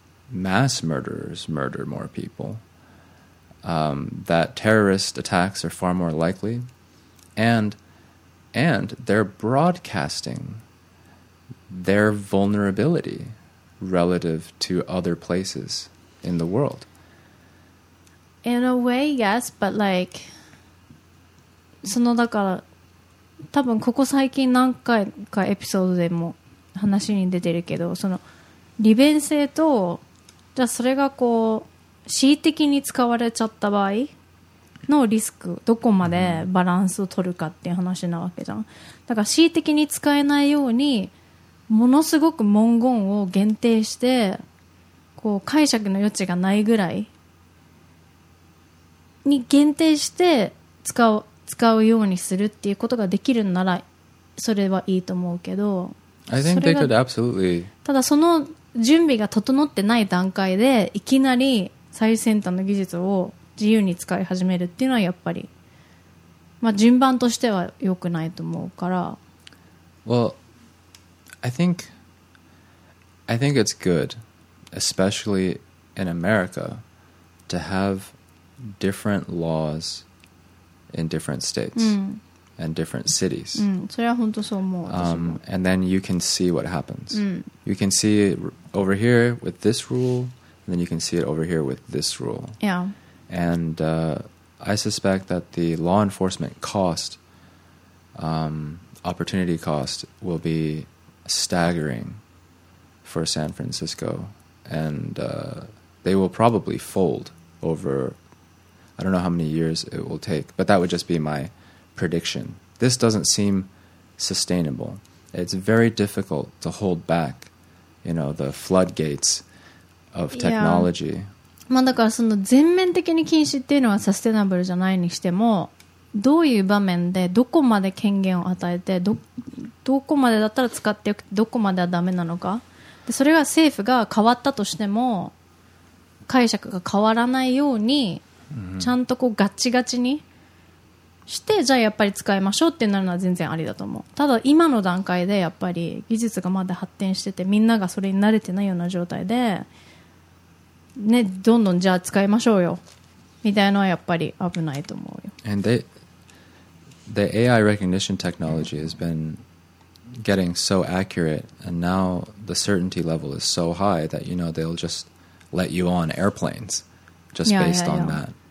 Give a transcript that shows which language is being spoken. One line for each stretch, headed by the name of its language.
English: mass murderers murder more people, that terrorist attacks are far more likely, and they're broadcasting their vulnerability relative to other places in the world. In a way, yes, but like,
Japanese: そのだから多分ここ最近何回かエピソードでも話に出てるけど、その利便性と、じゃあそれがこう恣意的に使われちゃった場合のリスク、どこまでバランスを取るかっていう話なわけじゃん。だから恣意的に使えないようにものすごく文言を限定してこう解釈の余地がないぐらいに限定して使うようにするっていうことができるならそれはいいと思うけど、
English: I think they could absolutely、
Japanese: ただその準備が整ってない段階でいきなり最先端の技術を自由に使い始めるっていうのはやっぱり、まあ、順番としては良くないと思うから。
English: Well, I think it's good, especially in America, to have different laws in different states and different cities.
Japanese: それは本当そう思う。
English: And then you can see what happens. You can see it over here with this rule, and then you can see it over here with this rule. Yeah. And I suspect that the law enforcement cost, opportunity cost, will be staggering for San Francisco. And they will probably fold over, I don't know how many years it will take, but that would just be my prediction. This doesn't seem sustainable. It's very difficult to hold back, you know, the floodgates of technology. Yeah.
Japanese: まあ、だからその全面的に禁止っていうのはサステナブルじゃないにしても、どういう場面でどこまで権限を与えて どこまでだったら使ってよくて、どこまではダメなのか、でそれは政府が変わったとしても解釈が変わらないようにちゃんとこうガチガチにして、じゃあやっぱり使いましょうってなるのは全然ありだと思う。ただ今の段階でやっぱり技術がまだ発展してて、みんながそれに慣れてないような状態でね、どんどんじゃあ使いましょうよみたいなのはやっぱり危ないと思うよ。
English: And the AI recognition technology has been getting so accurate, and now the certainty level is so high that you know they'll just let you on airplanes just based on that.